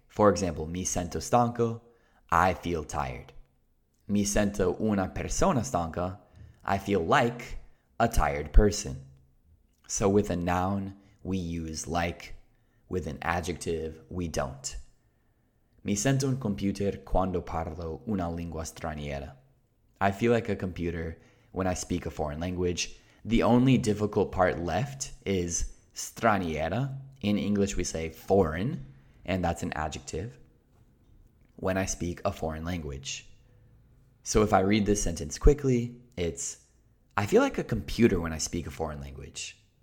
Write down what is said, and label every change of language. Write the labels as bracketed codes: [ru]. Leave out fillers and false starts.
[en] For example, [it] mi sento stanco, [en] I feel tired. [it] Mi sento una persona stanca, [en] I feel like a tired person. So with a noun, we use like. With an adjective, we don't. [it] Mi sento un computer quando parlo una lingua straniera. [en] I feel like a computer when I speak a foreign language. The only difficult part left is straniera. In English, we say foreign, and that's an adjective. When I speak a foreign language. So if I read this sentence quickly, it's, I feel like a computer when I speak a foreign language.